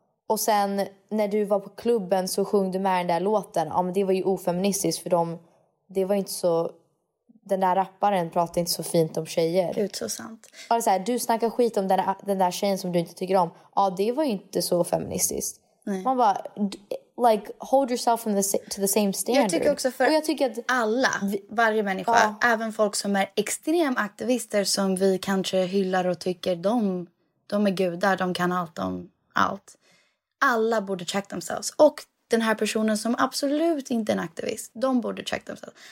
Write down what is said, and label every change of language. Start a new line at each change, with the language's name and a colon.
Swedish: Och sen när du var på klubben så sjöng du med den där låten. Ja, men det var ju ofeministiskt för dem. Det var inte så, den där rapparen pratade inte så fint om tjejer. Gud, så sant. Ja, så här, du snackar skit om den där tjejen som du inte tycker om. Ja, det var ju inte så feministiskt. Nej. Man bara,
English: like, hold yourself to the same standard.
Swedish: Jag tycker också för alla, varje människa, även folk som är extremaktivister som vi kanske hyllar och tycker de är gudar, de kan allt om allt. Alla borde
English: check themselves.
Swedish: Och den här personen som absolut inte är en aktivist, de borde check themselves.